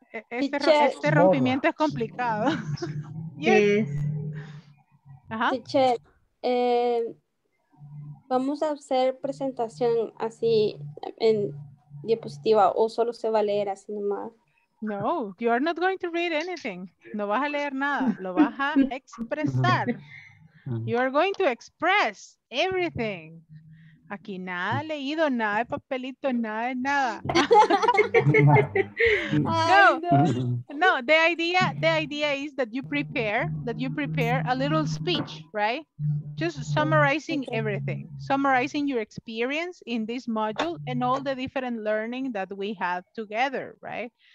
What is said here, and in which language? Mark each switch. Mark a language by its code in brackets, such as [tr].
[es] Este rompimiento es complicado. [en] Yes. [es] Teacher, vamos a hacer presentación así en diapositiva o solo se va a leer así nomás. [en] No, you are not going to read anything. [es] No vas a leer nada, lo vas a expresar. [en] You are going to express everything. [es] Aquí nada leído, nada de papelito, nada de nada. [en] No, the idea is that you prepare a little speech, right? Just summarizing everything, summarizing your experience in this module and all the different learning that we have together, right?